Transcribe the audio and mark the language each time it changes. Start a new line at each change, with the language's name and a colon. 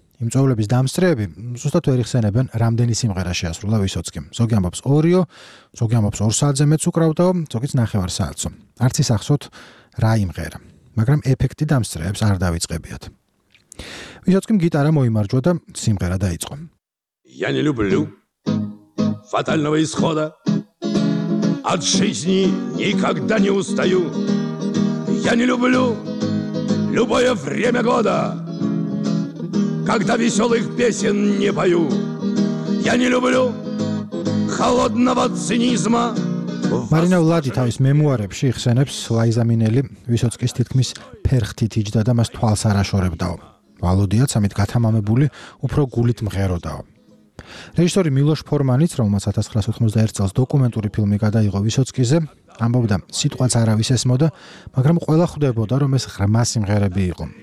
Georgian: იმ წვეულების დამსწრეები ზუსტად ვერ იხსენებენ, რამდენი სიმღერა შეასრულა ვისოცკიმ. ზოგი ამბობს 2-ო, ზოგი ამბობს 2 საათზე მეც უკრავდაო, ზოგიც 9 საათზე. არც ისახსოთ რა იმღერა, მაგრამ ეფექტი დამსწრეებს არ დავიწყებიათ. ვისოცკიმ გიტარა მოიმარჯვა და სიმღერა დაიწყო.
Russian: Я не люблю фатального исхода. От жизни никогда не устаю. Я не люблю любое время года, когда веселых песен не пою. Я не люблю холодного цинизма.
Georgian: Марина Влади თავის მემუარებში ხსენებს ლაიზა მინელი ვისოცკის თითქმის ფერხთით იჯდა და მას თვალს არაშორებდაო. ვალოდიაც ამით გათამამებული უფრო გულით მღეროდაო. რეჟისორი მილოშ ფორმანიც, რომელმაც 1981 წელს დოკუმენტური ფილმი გადაიღო ვისოცკიზე, ამბობდა, სიტყვაც არავის ესმოდა, მაგრამ ყველა ხვდებოდა, რომ ეს ღრმა სიმღერები იყო.